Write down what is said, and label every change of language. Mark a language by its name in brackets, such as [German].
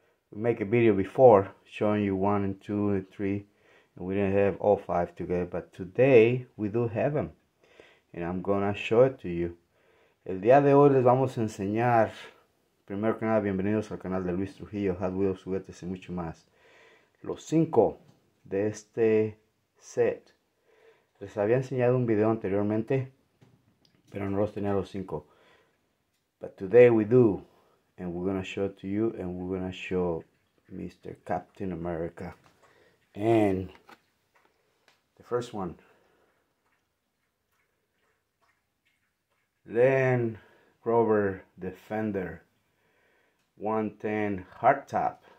[English] We make a video before showing you one and two and three, and we didn't have all five together, but today we do have them, and I'm gonna show it to you. [Spanish] El día de hoy les vamos a enseñar, primero que nada, bienvenidos al canal de Luis Trujillo, Hot Wheels, juguetes y mucho más. Los 5 de este set. Les había enseñado un video anteriormente, pero no los tenía los 5. [English] But today we do, and we're going to show it to you, and we're going to show Mr. Captain America. And the first one. Land Rover Defender 110 hardtop.